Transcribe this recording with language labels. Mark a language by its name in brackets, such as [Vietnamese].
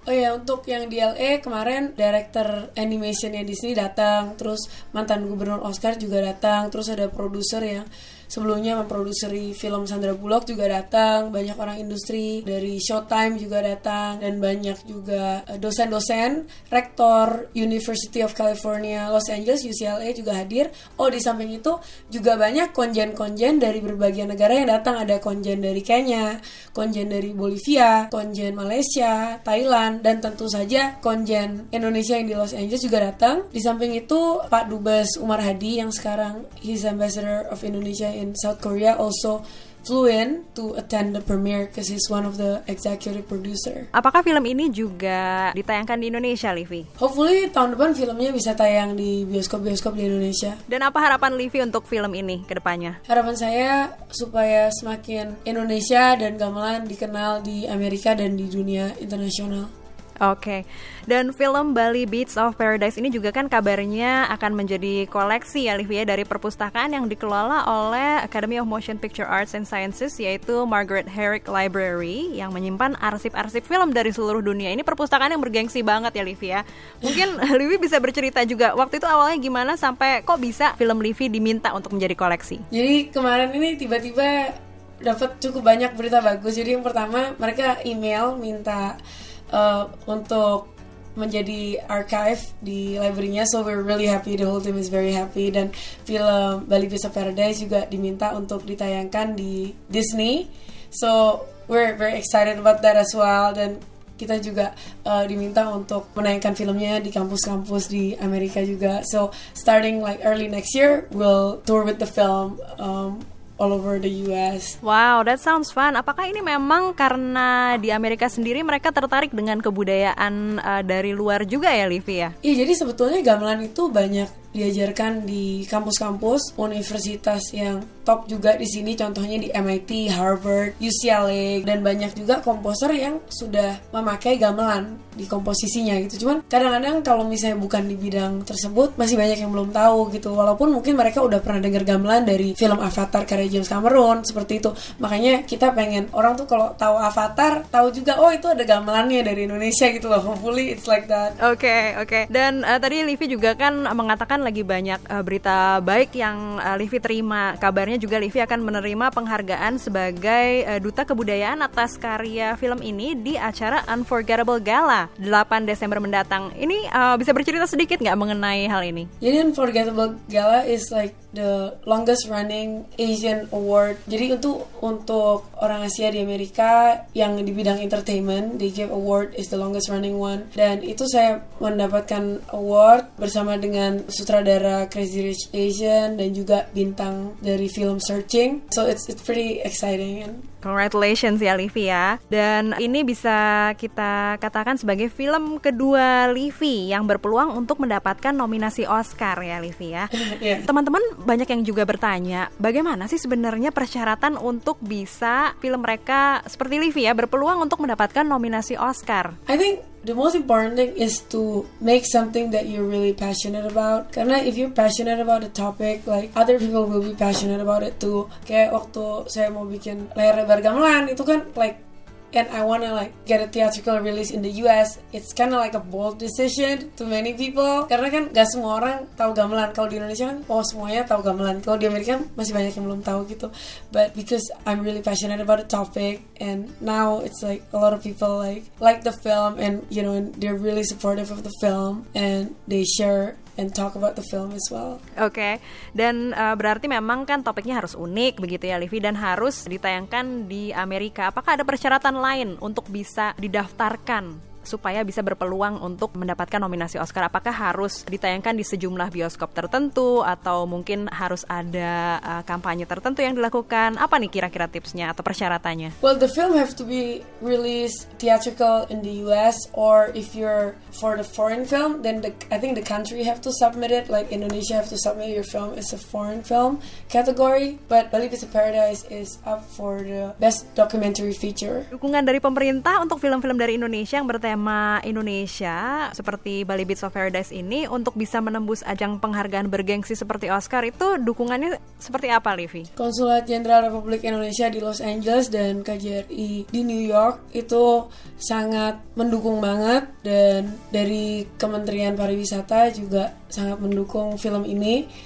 [Indonesian] Oh ya, untuk yang di LA kemarin director animationnya Disney datang, terus mantan gubernur Oscar juga datang, terus ada produser yang sebelumnya memproduseri film Sandra Bullock juga datang, banyak orang industri dari Showtime juga datang, dan banyak juga dosen-dosen, rektor University of California Los Angeles, UCLA juga hadir. Oh, di samping itu juga banyak konjen-konjen dari berbagai negara yang datang. Ada konjen dari Kenya, konjen dari Bolivia, konjen Malaysia, Thailand, dan tentu saja konjen Indonesia yang di Los Angeles juga datang. Di samping itu, Pak Dubes Umar Hadi yang sekarang [English] he's ambassador of Indonesia in South Korea also flew in to attend the premiere because he's one of the executive producer. [Indonesian] Apakah film ini juga ditayangkan di Indonesia, Livi? Hopefully tahun depan filmnya bisa tayang di bioskop-bioskop di Indonesia. Dan apa harapan Livi untuk film ini ke depannya? Harapan saya supaya semakin Indonesia dan gamelan dikenal di Amerika dan di dunia internasional. Oke. Dan film Bali Beats of Paradise ini juga kan kabarnya akan menjadi koleksi ya Livia, dari perpustakaan yang dikelola oleh Academy of Motion Picture Arts and Sciences, yaitu Margaret Herrick Library, yang menyimpan arsip-arsip film dari seluruh dunia. Ini perpustakaan yang bergengsi banget ya Livia. Mungkin Livi bisa bercerita juga, waktu itu awalnya gimana sampai kok bisa film Livi diminta untuk menjadi koleksi? Jadi kemarin ini tiba-tiba dapat cukup banyak berita bagus. Jadi yang pertama, mereka email minta untuk menjadi archive di library-nya. [English] So we're really happy, the whole team is very happy. [Indonesian] Dan film Bali Beats of Paradise juga diminta untuk ditayangkan di Disney. [English] So we're very excited about that as well. [Indonesian] Dan kita juga diminta untuk menayangkan filmnya di kampus-kampus di Amerika juga. [English] So starting like early next year, we'll tour with the film all over the US. Wow, that sounds fun. [Indonesian] Apakah ini memang karena di Amerika sendiri mereka tertarik dengan kebudayaan dari luar juga ya, Livia? Iya, jadi sebetulnya gamelan itu banyak diajarkan di kampus-kampus, universitas yang top juga di sini, contohnya di MIT, Harvard, UCLA, dan banyak juga komposer yang sudah memakai gamelan di komposisinya gitu. Cuman kadang-kadang kalau misalnya bukan di bidang tersebut, masih banyak yang belum tahu gitu. Walaupun mungkin mereka udah pernah dengar gamelan dari film Avatar karya James Cameron, seperti itu. Makanya kita pengen orang tuh kalau tahu Avatar, tahu juga, oh itu ada gamelannya dari Indonesia gitu loh. [English] Hopefully it's like that. [Indonesian] Okay. Dan tadi Livi juga kan mengatakan lagi banyak berita baik yang Livi terima. Kabarnya juga Livi akan menerima penghargaan sebagai duta kebudayaan atas karya film ini di acara Unforgettable Gala 8 Desember mendatang. Ini bisa bercerita sedikit nggak mengenai hal ini? [English] Jadi Unforgettable Gala is like the longest running Asian award. [Indonesian] Jadi untuk orang Asia di Amerika yang di bidang entertainment, [English] they give award is the longest running one. [Indonesian] Dan itu saya mendapatkan award bersama dengan sutradara Crazy Rich Asian dan juga bintang dari film Searching. [English] So it's pretty exciting. [Indonesian] Congratulations ya Livi ya. Dan ini bisa kita katakan sebagai film kedua Livi yang berpeluang untuk mendapatkan nominasi Oscar ya Livi ya. [English] Yeah. [Indonesian] Teman-teman banyak yang juga bertanya, bagaimana sih sebenarnya persyaratan untuk bisa film mereka seperti Livi ya berpeluang untuk mendapatkan nominasi Oscar? [English] I think the most important thing is to make something that you're really passionate about. Karena if you're passionate about the topic, like other people will be passionate about it too. [Indonesian] Kayak waktu saya mau bikin layar lebar gamelan itu kan, like, [English] and I wanna like get a theatrical release in the US. It's kind of like a bold decision to many people. [Indonesian] Karena kan gak semua orang tahu gamelan. Kalau di Indonesia kan, oh semuanya tahu gamelan. Kalau di Amerika masih banyak yang belum tahu gitu. [English] But because I'm really passionate about the topic, and now it's like a lot of people like the film, and you know, and they're really supportive of the film, and they share and talk about the film as well. Okay. [Indonesian] Dan berarti memang kan topiknya harus unik begitu ya Livi, dan harus ditayangkan di Amerika. Apakah ada persyaratan lain untuk bisa didaftarkan supaya bisa berpeluang untuk mendapatkan nominasi Oscar? Apakah harus ditayangkan di sejumlah bioskop tertentu, atau mungkin harus ada kampanye tertentu yang dilakukan? Apa nih kira-kira tipsnya atau persyaratannya? [English] Well, the film have to be released theatrical in the US, or if you're for the foreign film, then I think the country have to submit it. Like Indonesia have to submit your film as a foreign film category, but Bali Beats of Paradise is up for the best documentary feature. [Indonesian] Dukungan dari pemerintah untuk film-film dari Indonesia yang tema Indonesia seperti Bali Beats of Paradise ini untuk bisa menembus ajang penghargaan bergengsi seperti Oscar, itu dukungannya seperti apa, Livi? Konsulat Jenderal Republik Indonesia di Los Angeles dan KJRI di New York itu sangat mendukung banget, dan dari Kementerian Pariwisata juga sangat mendukung film ini.